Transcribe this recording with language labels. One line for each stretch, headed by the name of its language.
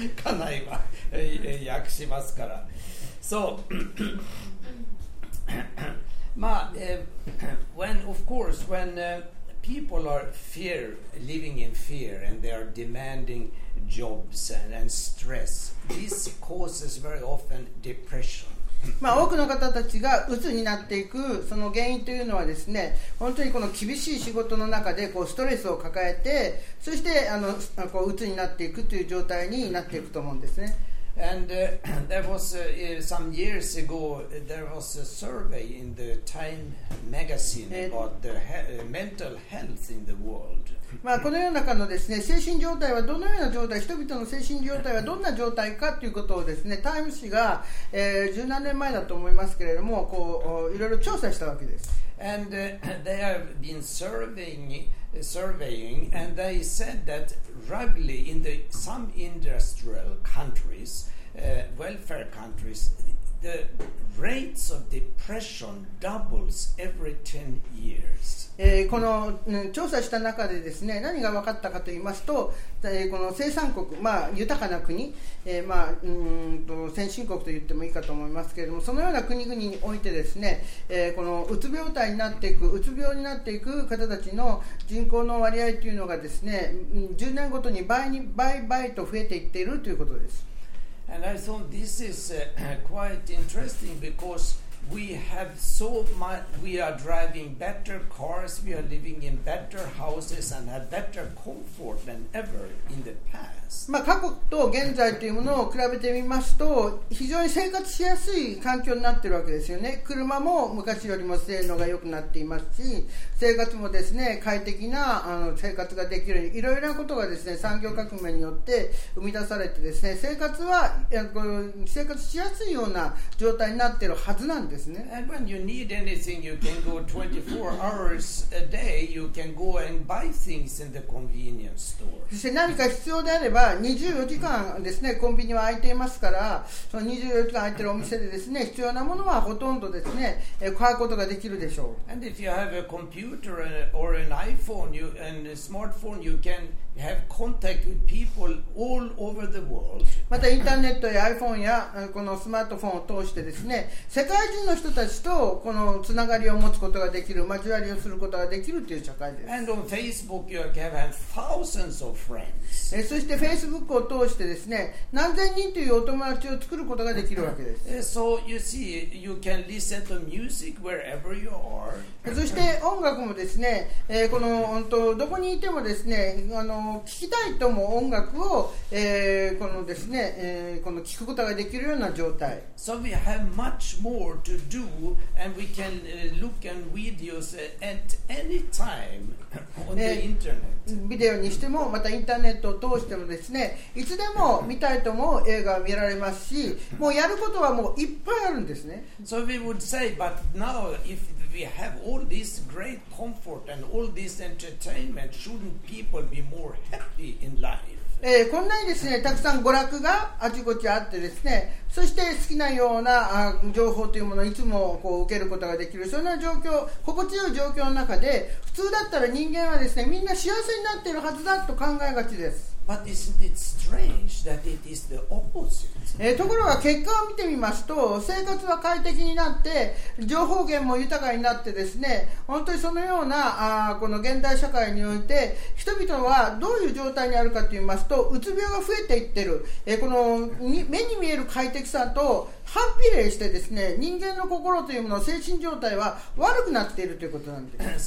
Japanese: 家内は訳しますから。そう
English: まあ、when of course when、people are fear living in fear and they are demanding jobs and stress, this causes very often depression.
Japanese: まあ、多くの方たちが鬱になっていくその原因というのはですね、本当にこの厳しい仕事の中でこうストレスを抱えて、そしてこう鬱になっていくという状態になっていくと思うんですね。
English: And there was some years ago there was a survey in the Time magazine about the mental health in the world.
Japanese: まあこの世の中のですね、精神状態はどのような状態、人々の精神状態はどんな状態かということをですね、Time 誌が十何年前だと思いますけれども、こういろいろ調査したわけです。
English: And they have been surveying, and they said that roughly in the some industrial countries, welfare countries, the rates of depression doubles every 10 years.
Japanese: この調査した中でですね、何が分かったかと言いますと、この生産国、まあ豊かな国、まあ先進国と言ってもいいかと思いますけれども、そのような国々においてですね、このうつ病態になっていく、うつ病になっていく方たちの人口の割合というのがですね、10年ごとに倍と増えていっているということです。
English: And I thought this is quite interesting because we have so much, we are driving better cars, we are living in better houses and have better comfort than ever in the past.
Japanese: まあ過去と現在というものを比べてみますと、非常に生活しやすい環境になっているわけですよね。車も昔よりも性能が良くなっていますし、生活もですね、快適な生活ができるように、いろいろなことがですね、産業革命によって生み出されてですね、生活は生活しやすいような状態になっているはずなんですね。
English: And when you need anything, you can go 24 hours a day, you can go and buy things in the convenience store.
Japanese: そして何か必要であれば、24時間ですね、コンビニは空いていますから、その24時間空いているお店でですね、必要なものはほとんどですね、買うことができるでしょう。
English: And if you have a computer or an iPhone you, and a smartphone, you can have contact with people all over the world.
Japanese: またインターネットや iPhone やこのスマートフォンを通してですね、世界中の人たちとこのつながりを持つことができる、交わりをすることができるという社会です。
English: And on Facebook, you can have thousands of friends.
Japanese: そして Facebook を通してですね、何千人というお友達を作ることができるわけです。
English: So you see, you can listen to music wherever you are.
Japanese: そして音楽もですね、この本当どこにいてもですね、聞きたいとも音楽を、このですね、この聞くことができるような状態。
English: So we have much more to do and we can look at videos at any time on the internet.
Japanese: ビデオにしてもまたインターネットを通してもですね、いつでも見たいとも映画を見られますし、もうやることはもういっぱいあるんですね。
English: So we would say, but now ifWe have all this great comfort and all this entertainment. Shouldn't people be more happy in life?
Japanese: こんなにですね、たくさん娯楽があちこちあってですね、そして好きなような情報というものをいつもこう受けることができる、そんな状況、心地よい状況の中で、普通だったら人間はですね、みんな幸せになっているはずだと考えがちです。
English: But isn't it strange that it is the opposite?
Japanese: ところが結果を見てみますと、生活は快適になって、情報源も豊かになってですね、本当にそのようなこの現代社会において、人々はどういう状態にあるかといいますと、うつ病が増えていってる、この目に見える快適さと反比例してですね、人間の心というもの、精神状態は悪くなっているということなんです。